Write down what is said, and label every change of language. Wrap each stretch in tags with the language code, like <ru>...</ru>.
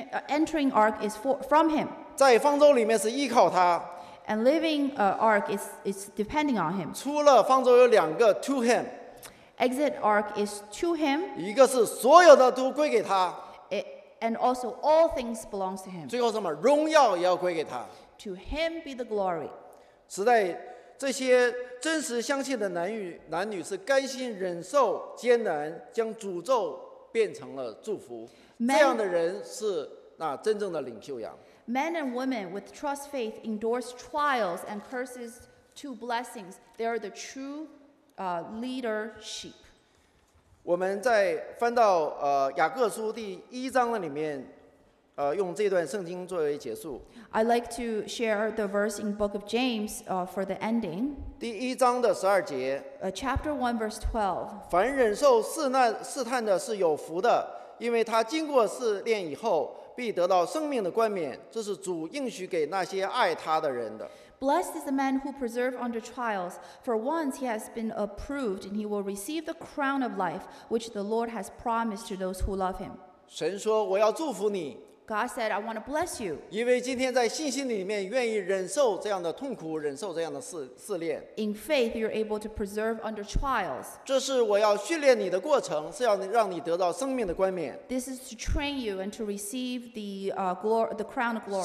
<en>Entering ark is from him.</en> <zh>在方舟里面是依靠他。</zh> <en>And living ark is depending on him.</en> <zh>出了方舟有两个</zh> <en>to him. exit arc is to him.</en> <zh>一个是所有的都归给他。</zh> <en>And also all things belong to him.</en> <zh>最后什么？荣耀也要归给他。</zh> <en>To him be the glory.</en> <zh>实在这些真实相信的男女是甘心忍受艰难，将诅咒变成了祝福。</zh> <en>Men,</en> <zh>这样的人是那真正的领袖羊。</zh> <en>Men and women with trust faith endorse trials and curses to blessings. They are the true, leader sheep.</en> <zh>我们在翻到雅各书第一章的里面。用这段圣经作为结束。</zh> <en>I like to share the verse in Book of James, for the ending.</en> <zh>第一章的十二节。</zh> <en>Chapter 1, verse 12.</en> <zh>凡忍受试探的是有福的，因为他经过试炼以后，必得到生命的冠冕，这是主应许给那些爱他的人的。</zh> <en>Blessed is the man who persevered under trials, for once he has been approved, and he will receive the crown of life which the Lord has promised to those who love him.</en> <zh>神说，我要祝福你。</zh> <en>God said, I want to bless you.</en> <zh>因为今天在信心里面愿意忍受这样的痛苦，忍受这样的试炼。</zh> <en>In faith, you're able to persevere under trials.</en> <zh>这是我要训练你的过程，是要让你得到生命的冠冕。</zh> <en>This is to train you and to receive the crown of glory.</en>